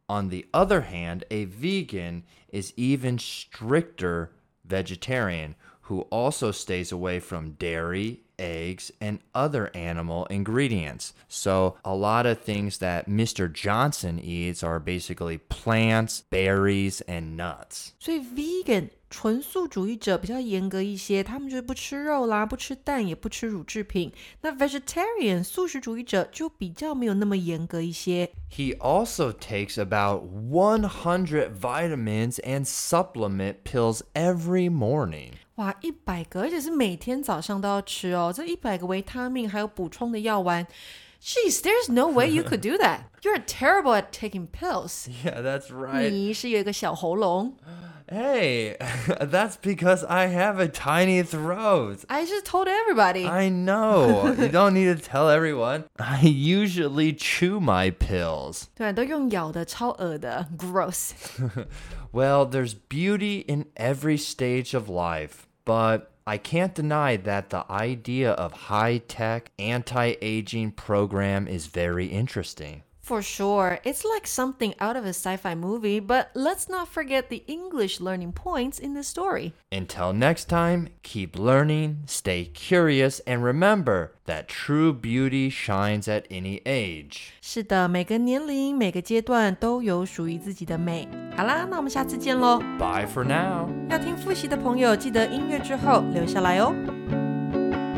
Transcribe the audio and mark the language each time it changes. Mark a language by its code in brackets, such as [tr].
[en] On the other hand, a vegan is even stricter vegetarian,who also stays away from dairy, eggs, and other animal ingredients. So a lot of things that Mr. Johnson eats are basically plants, berries, and nuts. [zh] 所以 vegan, 纯素主义者比较严格一些，他们就不吃肉啦，不吃蛋，也不吃乳制品。那 vegetarian, 素食主义者就比较没有那么严格一些。 [en] He also takes about 100 vitamins and supplement pills every morning. [zh] 哇，一百个，而且是每天早上都要吃哦。这一百个维他命还有补充的药丸。 [en] Jeez, there's no way you could do that. You're terrible at taking pills. Yeah, that's right. [zh] 你是有一个小喉咙。 [en] Hey, that's because I have a tiny throat. I just told everybody. I know. You don't need to tell everyone. I usually chew my pills. [zh] 对啊，都用咬的，超恶的。 [en] Gross. Well, there's beauty in every stage of life, but I can't deny that the idea of high-tech anti-aging program is very interesting. For sure. It's like something out of a sci-fi movie, but let's not forget the English learning points in this story. Until next time, keep learning, stay curious, and remember that true beauty shines at any age. [zh] 是的，每个年龄，每个阶段都有属于自己的美。好啦，那我们下次见咯。 [en] Bye for now. [zh] 要听复习的朋友，记得音乐之后留下来哦。